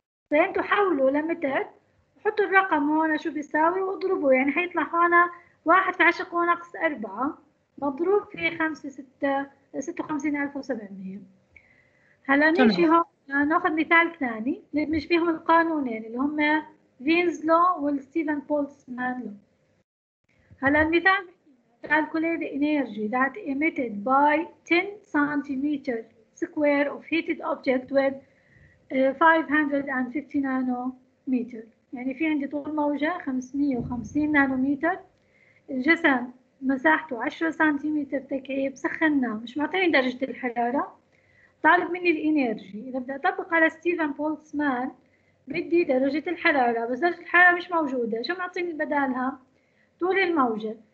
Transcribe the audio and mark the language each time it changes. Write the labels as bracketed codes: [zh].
[ar] فانتو حولوا لمتر، حطوا الرقم هون شو بيساوي واضربوا، يعني حيطلع هون 1 × 10⁴ مضروب في 56700. هلا نيجي هون ناخذ مثال ثاني مش فيهم القانونين اللي هم فينز لو والستيفن بولتسمان لو. هلا المثال [en] calculate energy that emitted by 10 centimeter square of heated object with 550 nanometer. [ar] يعني في عندي طول موجة 550 نانومتر، الجسم مساحته 10 سنتيمتر تكعيب، سخناه مش معطيني درجة الحرارة، طالب مني الإنرجي. إذا بدي أطبق على ستيفن بولتزمان بدي درجة الحرارة، بس درجة الحرارة مش موجودة، شو معطيني بدالها؟ طول الموجة.